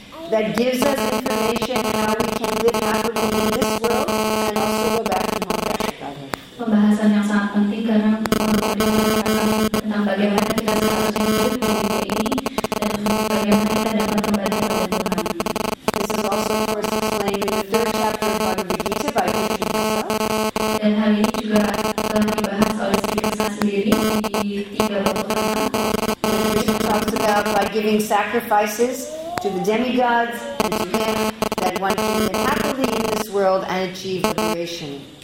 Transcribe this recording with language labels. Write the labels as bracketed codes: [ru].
[en] that gives us information how we can live happily in this world and also go back to home. [id] Pembahasan yang sangat penting karena memberitahukan tentang bagaimana kita selalu hidup di dunia ini dan bagaimana kita dapat kembali kepada Tuhan. [en] This is also, of course, explained in the third chapter of Bhagavad Gita by Krishna himself. [id] Dan hal ini juga telah dibahas oleh Krishna sendiri di 3 bab. [en] Krishna talks about by giving sacrifices to the demigods and to him, that one can live happily in this world and achieve liberation.